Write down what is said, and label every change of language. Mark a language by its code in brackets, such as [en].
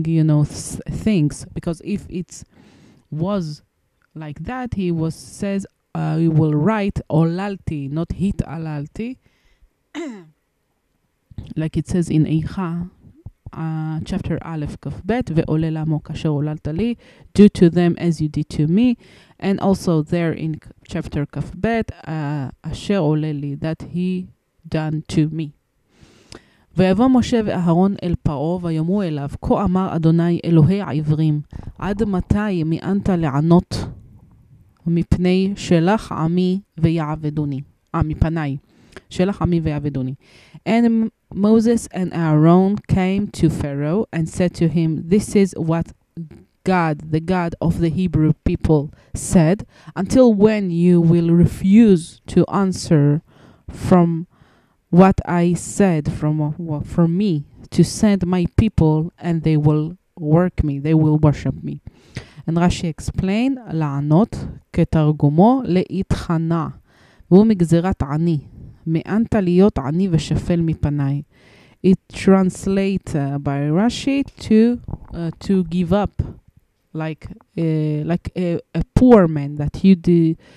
[en] Doing things, because if it was like that, he will write olalti, not hit alalti, like it says in Eicha, chapter Aleph Kaf Bet, [he] ve'ole lamo kasher olalta li, [en] do to them as you did to me, and also there in chapter Kaf Bet, asher ole li, that he done to me. [he] ויבוא משה ואהרון אל פרעה ויאמרו אליו, כה אמר אדוני אלוהי העברים, עד מתי מיאנת לענות מפני שלח עמי ויעבדוני? מפני שלח עמי ויעבדוני. [en] And Moses and Aaron came to Pharaoh and said to him, this is what God, the God of the Hebrew people, said, until when you will refuse to answer from what I said from me to send my people and they will work me, they will worship me. And Rashi explained, [he] לענות כתרגומו להתחנה, והוא מגזירת עני, מאנת להיות עני ושפל מפני. [en] It translates by Rashi to give up, like a poor man, that you do